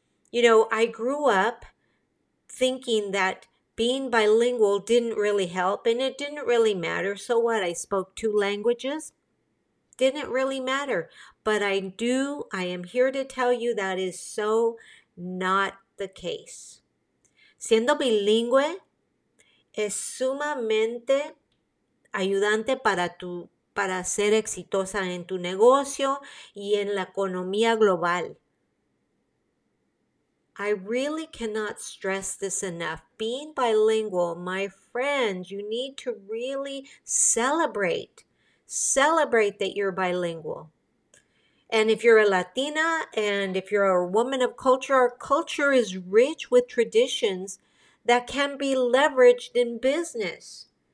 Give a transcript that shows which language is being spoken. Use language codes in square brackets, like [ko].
[en] You know, I grew up thinking that being bilingual didn't really help, and it didn't really matter. So what, I spoke two languages? Didn't really matter. But I am here to tell you that is so not the case. [es] Siendo bilingüe es sumamente ayudante para ser exitosa en tu negocio y en la economía global. [en] I really cannot stress this enough. Being bilingual, my friends, you need to really celebrate that you're bilingual. And if you're a Latina and if you're a woman of culture, our culture is rich with traditions that can be leveraged in business.